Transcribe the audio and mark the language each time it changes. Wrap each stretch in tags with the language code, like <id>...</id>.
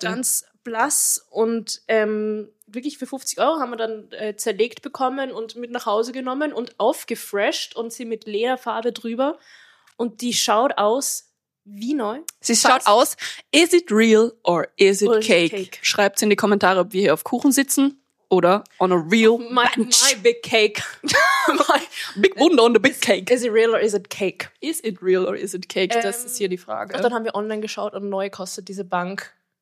<de>Die war ganz blass und wirklich für 50 Euro haben wir dann zerlegt bekommen und mit nach Hause genommen und aufgefresht und sie mit Lederfarbe drüber. Und die schaut aus... Wie neu? Sie schaut aus,</de> <en>is it real or is it cake?</en> <de>Schreibt es in die Kommentare, ob wir hier auf Kuchen sitzen oder</de> <en>on a real bench. My big cake. My big wonder on the big cake. Is it real or is it cake? Is it real or is it cake?</en> <de>Das ist hier die Frage. Und dann haben wir online geschaut und neu kostet diese Bank.</de>